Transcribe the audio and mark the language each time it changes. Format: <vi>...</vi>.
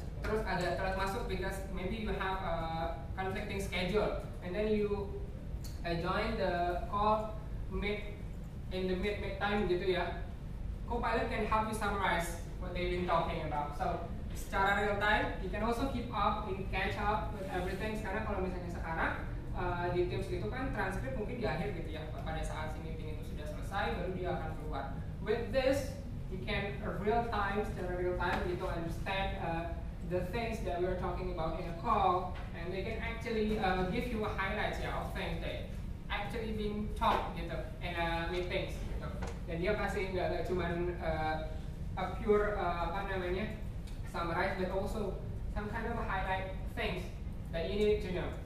<id>terus ada telat masuk</id> <en>because maybe you have a conflicting schedule and then you join the call mid time gitu ya. Copilot can help you summarize what they've been talking about. So secara real time, you can also keep up and catch up with everything.</en> <id>Sekarang kalau misalnya sekarang di Teams itu kan transkrip mungkin di akhir gitu ya, pada saat si meeting itu sudah selesai baru dia akan keluar.</id> <en>With this, you can real time, secara real time gitu understand the things that we are talking about in a call, and they can actually give you a highlight ya of things that actually being talked gitu in a meetings gitu.</en> <id>Dan dia kasih nggak cuma</id> <en>a pure</en> <id>apa namanya</id> <en>summarize, but also some kind of highlight things that you need to know.</en>